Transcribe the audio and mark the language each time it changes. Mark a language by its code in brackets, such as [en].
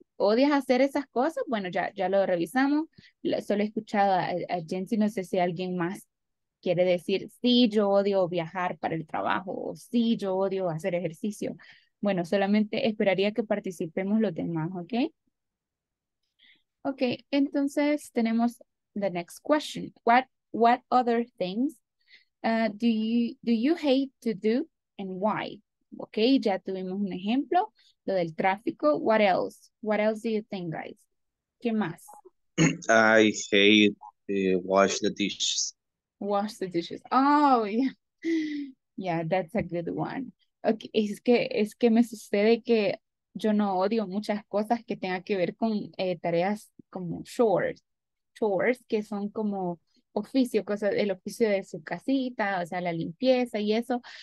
[es] ¿Odias hacer esas cosas? Bueno, ya lo revisamos. Solo he escuchado a Jensi. No sé si alguien más quiere decir, sí, yo odio viajar para el trabajo, o sí, yo odio hacer ejercicio. Bueno, solamente esperaría que participemos los demás, ¿ok? Ok, entonces tenemos [en] the next question. What other things do you hate to do and why? [es] Ok, ya tuvimos un ejemplo, lo del tráfico. [en] What else? What else do you think, guys? [es] ¿Qué más? [en] I hate wash the dishes. Wash the dishes. Oh, yeah, that's a good one. [es] Okay, es que me sucede que yo no odio muchas cosas que tengan que ver con tareas como chores, que son como oficio, cosas, el oficio de su casita, o sea, la limpieza y eso.